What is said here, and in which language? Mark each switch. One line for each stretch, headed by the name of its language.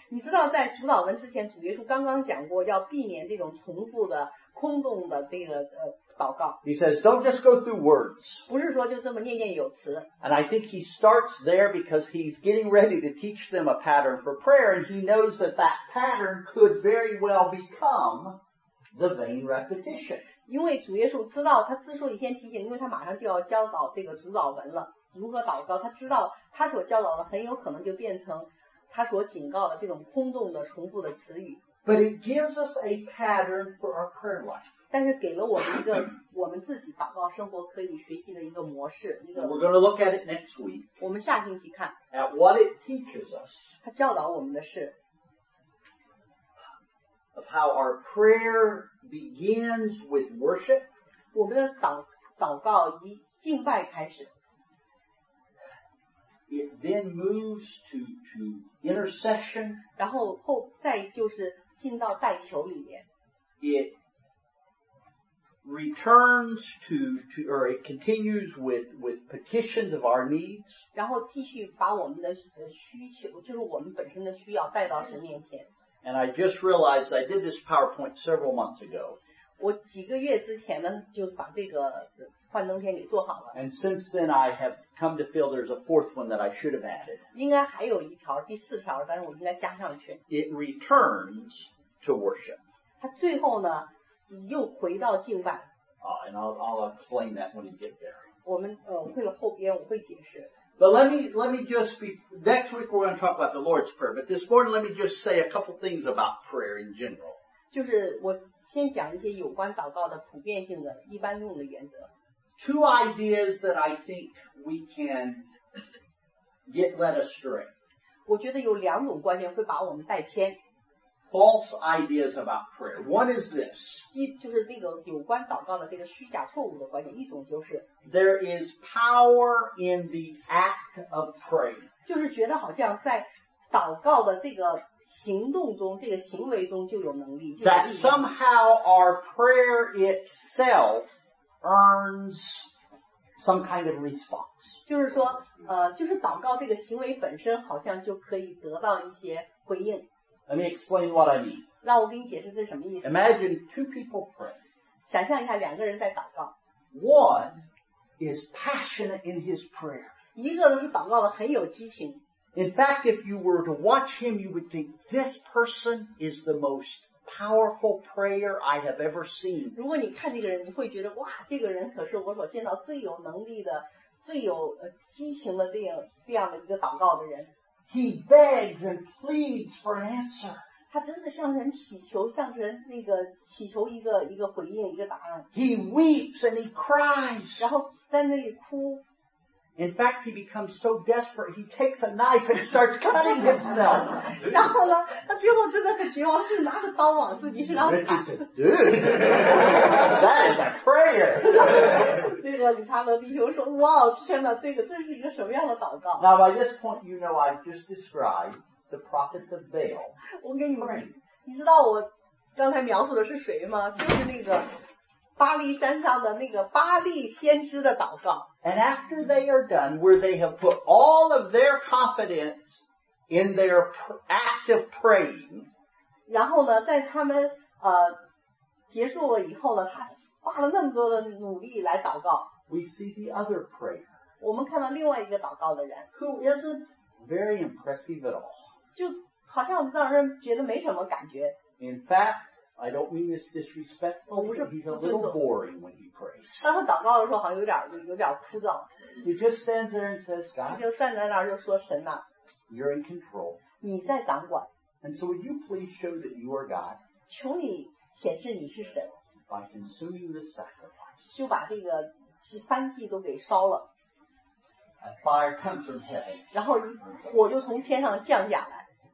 Chinese: 你知道在主祷文之前主耶稣刚刚讲过要避免这种重复的空洞的这个祷告。
English: He says, don't just go through words.
Chinese: 不是说就这么念念有词。
English: And I think he starts there because he's getting ready to teach them a pattern for prayer, and he knows that that pattern could very well become the vain repetition.
Chinese: 因为主耶稣知道他之所以先提醒，因为他马上就要教导这个主祷文了，如何祷告，他知道他所教导的很有可能就变成他所警告的这种空洞的重复的词语。
English: But it gives us a pattern for our prayer life.
Chinese: 但是给了我们一个我们自己祷告生活可以学习的一个模式一个。
English: We're going to look at it next week.
Chinese: 我们下星期看。
English: At what it teaches us.
Chinese: 它教导我们的是。
English: Of how our prayer begins with worship.
Chinese: 我们的祷告以敬拜开始。
English: It then moves to intercession.
Chinese: 然后后再就是进到代求里面。
English: Returns to, or it continues with petitions of our needs.
Chinese: 然后继续把我们的需求，就是我们本身的需要带到神面前。
English: And I just realized I did this PowerPoint several months ago.
Chinese: 我几个月之前呢，就把这个幻灯片给做好了。
English: And since then I have come to feel there's a fourth one that I should have added.
Chinese: 应该还有一条，第四条，但是我应该加上去。
English: It returns to worship.
Chinese: 它最后呢？又回到敬拜。
English: And I'll explain that when you get there.
Chinese: 我们为了后边我会解释。
English: But let me just be, next week we're going to talk about the Lord's Prayer, but this morning let me just say a couple things about prayer in general.
Chinese: 就是我先讲一些有关祷告的普遍性的一般用的原则。
English: Two ideas that I think we can get led astray.
Chinese: 我觉得有两种观念会把我们带偏。
English: False ideas about prayer. One is this.
Chinese: 就是那个有关祷告的这个虚假错误的观点。一种就是
English: there is power in the act of praying.
Chinese: 就是觉得好像在祷告的这个行动中，这个行为中就有能力。
English: That somehow our prayer itself earns some kind of response.
Chinese: 就是说，就是祷告这个行为本身好像就可以得到一些回应。
English: Let me explain what I mean.
Chinese: 让我给你解释这是什么意思。
English: Imagine two people pray.
Chinese: 想象一下两个人在祷告。
English: One is passionate in his prayer.
Chinese: 一个人祷告的很有激情。
English: In fact, if you were to watch him, you would think this person is the most powerful prayer I have ever seen.
Chinese: 如果你看这个人，你会觉得哇，这个人可是我所见到最有能力的、最有激情的这样的一个祷告的人。
English: He begs and pleads for an answer.
Chinese: 他真的向人祈求，向人那个祈求一个回应，一个答案。
English: He weeps and he cries.
Chinese: 然后在那里哭。
English: In fact, he becomes so desperate, he takes a knife and starts cutting himself.
Chinese: 然后呢，他最后真的很绝望，是拿着刀往自己身上砍。
English: Dude, that is a prayer.
Chinese: 这个理查德弟兄说，哇，天哪，这是一个什么样的祷告？
English: Now, by this point, you know I've just described the prophets of Baal.
Chinese: 我给你们，你知道我刚才描述的是谁吗？就是那个巴黎山上的那个巴利先知的祷告。
English: And after they are done, where they have put all of their confidence in their act of praying.
Chinese: 然后呢，在他们结束了以后呢，他花了那么多的努力来祷告。
English: We see the other prayer.
Chinese: 我们看到另外一个祷告的人。
English: Who isn't very impressive at all.
Chinese: 就好像让人觉得没什么感觉。
English: In fact, I don't mean this disrespectfully. He's a little boring when he prays.
Chinese: 当他祷告的时候好像有点枯燥。
English: He just stands there and says, God,
Chinese: 他就站在那儿就说神啊,
English: you're in control.
Chinese: 你在掌管。
English: And so would you please show that you are God?
Chinese: 求你显示你是神。
English: By consuming this sacrifice.
Chinese: 就把这个燔祭都给烧了。
English: And fire comes from heaven.
Chinese: 然后火就从天上降下来。